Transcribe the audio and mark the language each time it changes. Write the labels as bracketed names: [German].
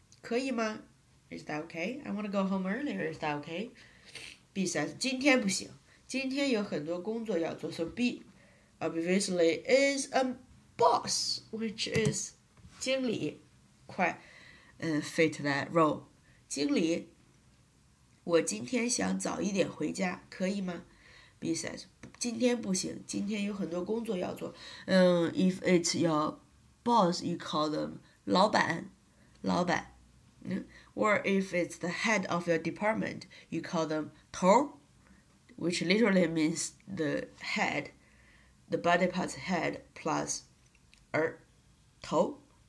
[Chinese] 可以吗？ [English] Is that okay? I want to go home earlier. Is that okay? B says, [Chinese] 今天不行，今天有很多工作要做。 [English] So B obviously is a boss, which is 经理 quite、fit that role. [Chinese] 经理，我今天想早一点回家，可以吗？ [English] B says, [Chinese] 今天不行，今天有很多工作要做。 [English] If it's your boss, you call them 老板，老板。 Or if it's the head of your department, you call them 头，which literally means the head, the body part's head plus 头。